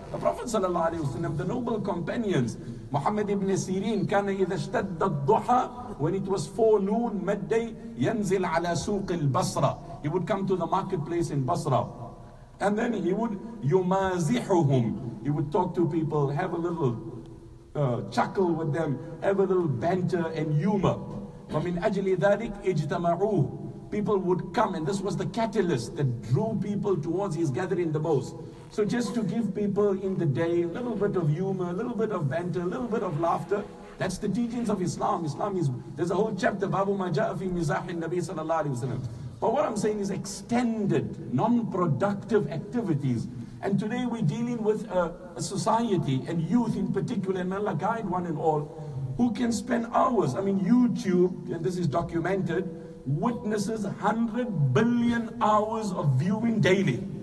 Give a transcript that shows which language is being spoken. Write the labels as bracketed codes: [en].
[en] The Prophet sallallahu alaihi wasallam, the noble companions, Muhammad ibn Sirin, [ar] kana idha ishtadda ad-duha, [en] when it was forenoon, midday, [ar] yanzil ala suq al-Basra, [en] he would come to the marketplace in Basra, and then he would [ar] yumazihuhum, [en] he would talk to people, have a little chuckle with them, have a little banter and humor. [ar] فَمِنْ أَجْلِ ذَلِكِ اجْتَمَعُوهُ, [en] people would come, and this was the catalyst that drew people towards his gathering the most. So just to give people in the day a little bit of humor, a little bit of banter, a little bit of laughter, that's the teachings of Islam. Islam is, there's a whole chapter, [ar] بَابُ مَا جَاءَ فِي مِزَاحِ النَّبِي صلى الله عليه وسلم. [en] But what I'm saying is extended, non-productive activities. And today we're dealing with a society and youth in particular, and Allah guide one and all, who can spend hours. I mean, YouTube, and this is documented, witnesses 100 billion hours of viewing daily.